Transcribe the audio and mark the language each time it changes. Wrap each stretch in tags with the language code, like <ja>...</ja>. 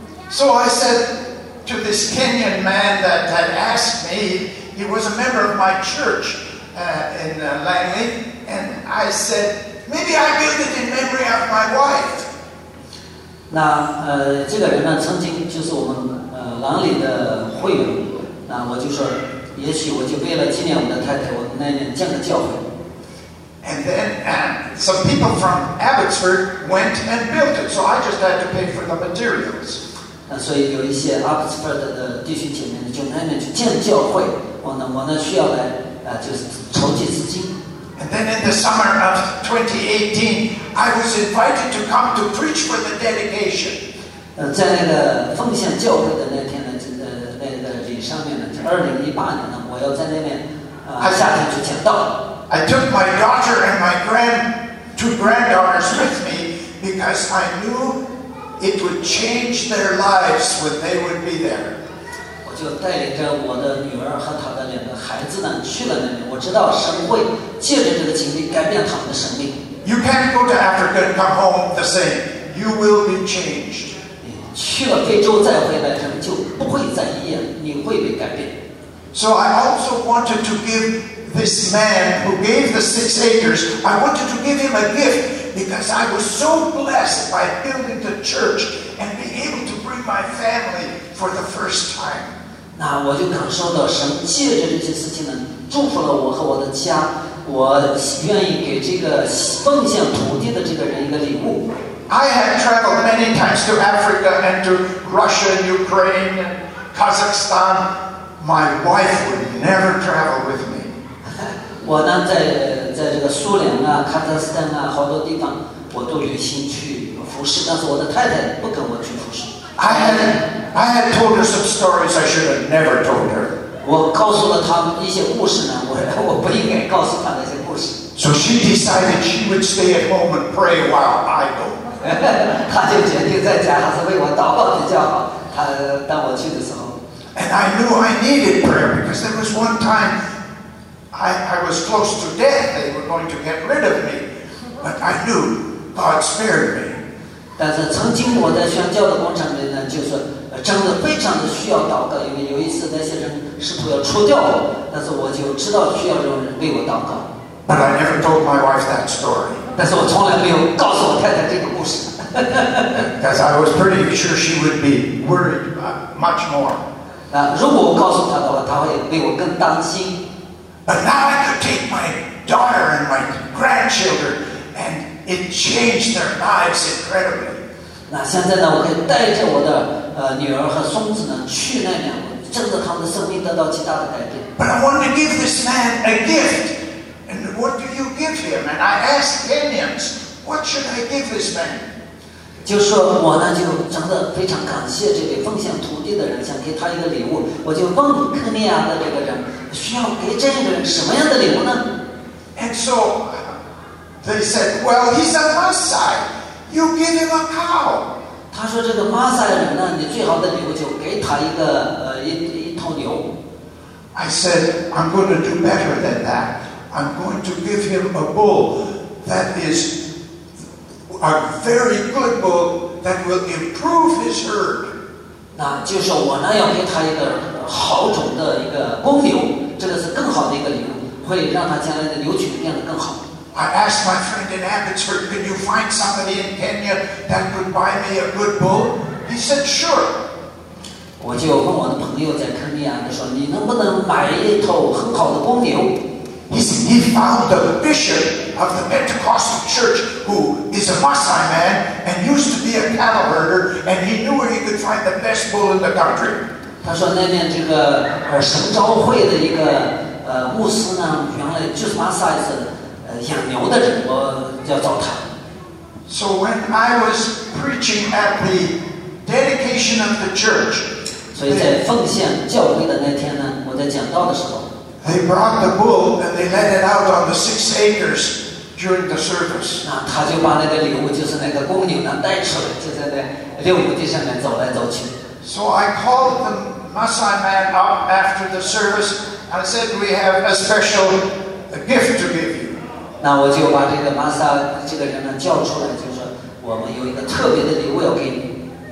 <en>So I said to this Kenyan man that had asked me, he was a member of my church, in Langley. And I said, maybe I build it in memory of my wife.</en> <zh>那这个人呢，曾经就是我们狼里的会员。那我就说，也许我就为了纪念我的太太，我那年建个教会。</zh> <en>And then some people from Abbotsford went and built it, so I just had to pay for the materials.</en> <zh>那所以有一些 Abbotsford 的弟兄姐妹就那年去建教会，我呢需要来就是筹集资金。</zh> <en>And then in the summer of 2018, I was invited to come to preach for the dedication.</en> <zh>在那个奉献教会的那天呢，那个礼上面呢，就2018年呢，我要在那边夏天去讲道。</zh> <en>I took my daughter and my two granddaughters with me because I knew it would change their lives when they would be there.</en> <zh>我就带领着我的女儿和她的两个孩子呢去了那边，我知道神会。借着这个经历改变他们的生命。</zh> <en>You can't go to Africa and come home the same. You will be changed.</en> <zh>你去了非洲再回来，人就不会再一样，你会被改变。</zh> <en>So I also wanted to give this man who gave the 6 acres, I wanted to give him a gift because I was so blessed by building the church and being able to bring my family for the first time.</en> <zh>那我就感受到神借着这些事情呢，祝福了我和我的家。我愿意给这个奉献土地的这个人一个礼物。</zh> <en>I have traveled many times to Africa and to Russia, Ukraine, and Kazakhstan. My wife would never travel with me.</en> <zh>我呢，在这个苏联啊、喀扎斯坦啊，好多地方我都有心去服侍，但是我的太太不跟我去服侍。</zh> <en>I had told her some stories I should have never told her.</en> <zh>我告诉了他们一些故事呢，我不应该告诉他那些故事。</zh> <en>So she decided she would stay at home and pray while I go.</en> <zh>他就决定在家还是为我祷告比较好。他当我去的时候。</zh> <en>And I knew I needed prayer because there was one time I was close to death. They were going to get rid of me, but I knew God spared me.</en> <zh>但是曾经我在宣教的过程里呢，就是真的非常的需要祷告，因为有一次那些人。试图要除掉我，但是我就知道需要有人为我祷告。</zh> <en>But I never told my wife that story.</en> <zh>但是我从来没有告诉我太太这个故事。</zh> <en>Because I was pretty sure she would be worried much more.</en> <zh>那如果我告诉她的话，她会为我更担心。</zh> <en>But now I could take my daughter and my grandchildren, and it changed their lives incredibly.</en> <zh>那现在呢，我可以带着我的女儿和孙子呢去那边。真的，他们的生命得到极大的改变。</zh> <en>But I want to give this man a gift. And what do you give him? And I asked Kenyans, what should I give this man?</en> <zh>就是说我呢，就真的非常感谢这位奉献土地的人，想给他一个礼物。我就问肯尼亚的这个人，需要给这个人什么样的礼物呢？</zh> <en>And so they said, well, he's a Maasai. You give him a cow.</en> <zh>他说这个马赛人呢，你最好的礼物就给他一个。一头牛。</zh> <en>I said, I'm going to do better than that. I'm going to give him a bull that is a very good bull that will improve his herd.</en> <zh>那就是我呢要给他一个好种的一个公牛，这个是更好的一个礼物，会让他将来的牛群变得更好。</zh> <en>I asked my friend in Abbotsford, can you find somebody in Kenya that could buy me a good bull? He said, sure.</en> <zh>我就问我的朋友在肯尼亚，他说你能不能买一头很好的公牛？</zh> <en>He said, he found the bishop of the Pentecostal church who is a Maasai man and used to be a cattle herder and he knew where he could find the best bull in the country.</en> <zh>他说那边这个神召会的一个牧师呢，原来就是马萨斯养牛的人，我要找他。</zh> <en>So when I was preaching at the dedication of the church,</en> <zh>所以在奉献教会的那天呢，我在讲道的时候</zh> <en>，They brought the bull and they let it out on the 6 acres during the service.</en> <zh>那他就把那个礼物，就是那个公牛呢，带出来，就在那六亩地上面走来走去。</zh> <en>So I called the Maasai man up after the service. I said, "We have a special gift to give you."</en> <zh>那我就把这个玛莎这个人呢叫出来，就说我们有一个特别的礼物要给你。</zh>